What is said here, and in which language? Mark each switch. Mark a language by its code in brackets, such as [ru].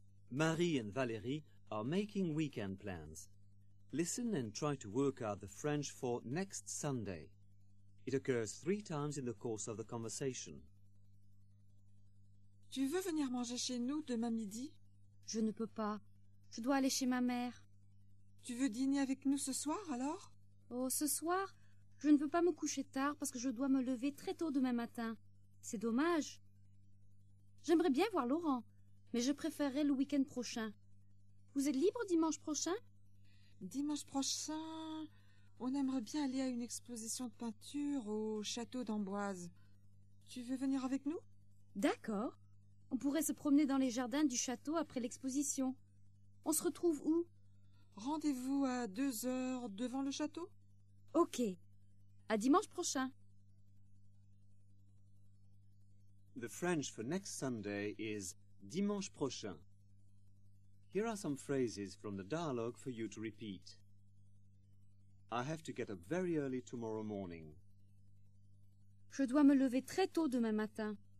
[en] Marie and Valérie are making weekend plans. Listen and try to work out the French for next Sunday. It occurs 3 times in the course of the conversation. [fr] Tu veux venir manger chez nous demain midi? Je ne peux pas. Je dois aller chez ma mère. Tu veux dîner avec nous ce soir, alors? Oh, ce soir, je ne peux pas me coucher tard parce que je dois me lever très tôt demain matin. C'est dommage. J'aimerais bien voir Laurent, mais je préférerais le week-end prochain. Vous êtes libre dimanche prochain? Dimanche prochain, on aimerait bien aller à une exposition de peinture au château d'Amboise. Tu veux venir avec nous? D'accord. On pourrait se promener dans les jardins du château après l'exposition. On se retrouve où? Rendez-vous à 2 heures devant le château. Ok. À dimanche prochain. [en] The French for next Sunday is [fr] dimanche prochain. [en] Here are some phrases from the dialogue for you to repeat. I have to get up very early tomorrow morning. [fr] Je dois me lever très tôt demain matin.